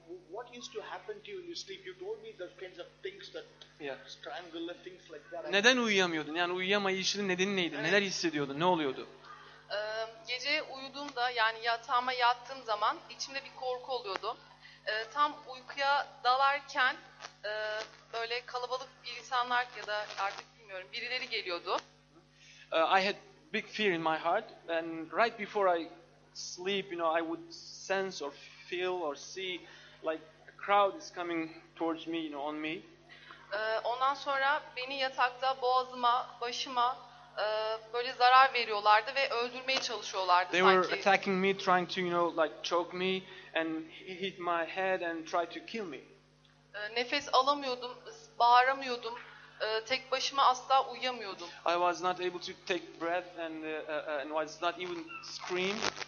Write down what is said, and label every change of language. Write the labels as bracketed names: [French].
[English] What used to happen to you in your sleep? You told me those kinds of things that strangle and things like that. [Turkish] Neden uyuyamıyordun? Yani uyuyamayışının nedeni neydi? Neler hissediyordun? Ne oluyordu? Gece uyuduğumda yani yatağıma yattığım zaman içimde bir korku oluyordu. Tam uykuya dalarken böyle kalabalık insanlar ya da artık bilmiyorum birileri geliyordu. [English] I had big fear in my heart and right before I sleep, you know, I would sense or feel or see like a crowd is coming towards me, you know, on me. [Turkish] Ondan sonra beni yatakta boğazıma, başıma böyle zarar veriyorlardı ve öldürmeye çalışıyorlardı sanki. [English] They were attacking me, trying to, you know, like choke me and hit my head and try to kill me. [Turkish] Nefes alamıyordum, bağıramıyordum. tek başıma asla uyuyamıyordum. [English] I was not able to take breath and and was not even scream.